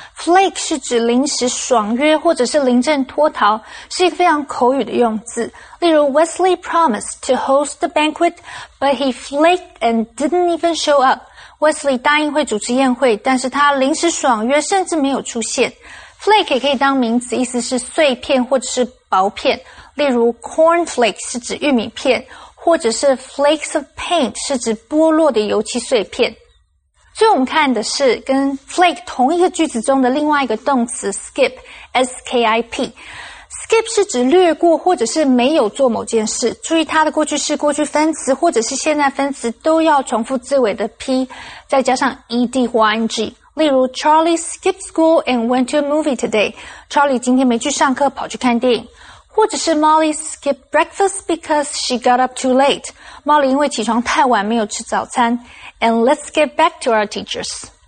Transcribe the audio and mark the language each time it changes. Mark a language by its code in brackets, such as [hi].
[zh] flake 是指临时爽约或者是临阵脱逃，是一个非常口语的用字。例如 [en] Wesley promised to host the banquet, but he flaked and didn't even show up. [zh] Wesley 答应会主持宴会，但是他临时爽约甚至没有出现。 flake 也可以当名词，意思是碎片或者是薄片。例如 cornflake 是指玉米片，或者是 flakes of paint 是指剥落的油漆碎片。所以我们看的是跟 flake 同一个句子中的另外一个动词 skip, S-K-I-P。 skip 是指略过或者是没有做某件事。注意它的过去式、过去分词或者是现在分词都要重复字尾的 P, 再加上 ED 或 ING。例如 [en] Charlie skipped school and went to a movie today. [zh] Charlie 今天没去上课跑去看电影。或者是 [en] Molly skipped breakfast because she got up too late. [zh] Molly 因为起床太晚没有吃早餐。 [en] And let's get back to our teachers.